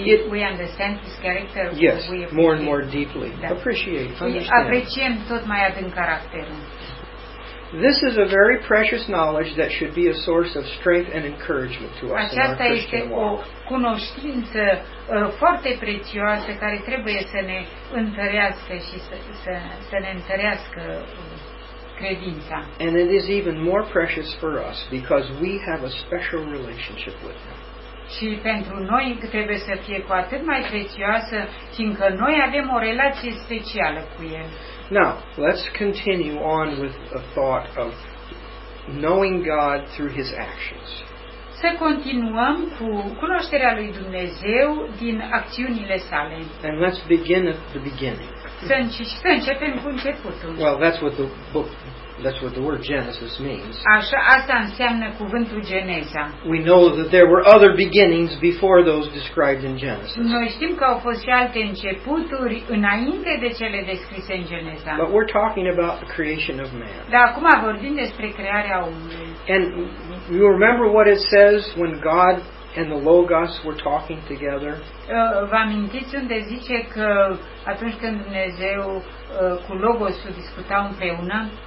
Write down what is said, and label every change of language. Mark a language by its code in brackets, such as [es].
[en] We understand his character. Yes, we more and more deeply. Da. Appreciate, understand. [ro] Apreciem tot mai adânc caracterul. [en] This is a very precious knowledge that should be a source of strength and encouragement to us. [ro] Aceasta [en] in our Christian [ro] este o cunoștință foarte prețioasă care trebuie să ne întărească și să ne întărească credința. [en] And it is even more precious for us because we have a special relationship with him. [ro] Și pentru noi trebuie să fie cu atât mai prețioasă, fiindcă noi avem o relație specială cu el. [en] Now, let's continue on with a thought of knowing God through his actions. [ro] Să continuăm cu cunoașterea lui Dumnezeu din acțiunile sale. [en] And let's begin at the beginning. [ro] Să începem cu începutul. [en] Well, that's what the book, that's what the word Genesis means. [ro] Așa, asta înseamnă cuvântul Geneza. [en] We know that there were other beginnings before those described in Genesis. [ro] Noi știm că au fost și alte începuturi înainte de cele descrise în Geneza. [en] But we're talking about the creation of man. [ro] Dar acum vorbim despre crearea omului. [en] And you remember what it says when God and the Logos were talking together? [ro] Vă amintiți unde zice că atunci când Dumnezeu cu Logosul discuta împreună?